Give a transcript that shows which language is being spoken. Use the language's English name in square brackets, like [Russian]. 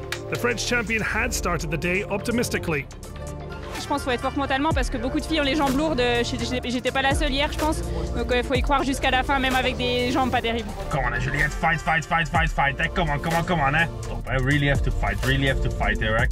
[English] The French champion had started the day optimistically. [French] Je pense qu'il faut être fort mentalement parce que beaucoup de filles ont les jambes lourdes. J'étais pas la seule hier, je pense. Donc il faut y croire jusqu'à la fin, même avec des jambes pas terribles. [English] Come on, Juliette, fight. Come on, eh. Oh, I really have to fight there, eh.